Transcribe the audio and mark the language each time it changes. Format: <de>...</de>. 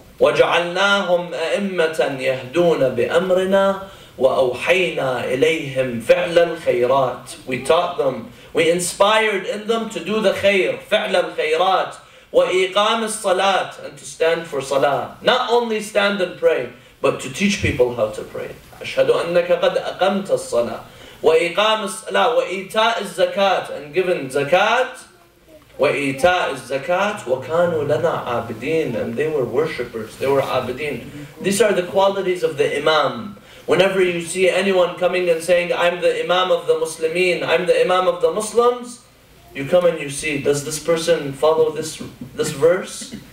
<ar>وَجَعَلْنَاهُمْ أَئِمَّةً يَهْدُونَ بِأَمْرِنَا وَأَوْحَيْنَا إِلَيْهِمْ فِعْلَ الْخَيْرَاتِ.</ar> <en>We taught them, we inspired in them to do the khayr,</en> <ar>فِعْلَ الْخَيْرَاتِ وَإِقَامِ الصَّلَاةِ,</ar> <en>and to stand for salah. Not only stand and pray, but to teach people how to pray.</en> <ar>أَشْهَدُ أَنَّكَ قَدْ أَقَمْتَ الصَّلَاةِ وَإِقَامِ الصَّلَاةِ وَإِيْتَاءِ الزَّكَاةِ,</ar> <en>and given zakat.</en> <ar>وَإِيْتَاءِ الزَّكَاةِ وَكَانُوا لَنَا عَابِدِينَ,</ar> <en>and they were worshippers, they were abidin. These are the qualities of the imam. Whenever you see anyone coming and saying, I'm the imam of the Muslimin, I'm the imam of the Muslims, you come and you see, does this person follow this verse?</en>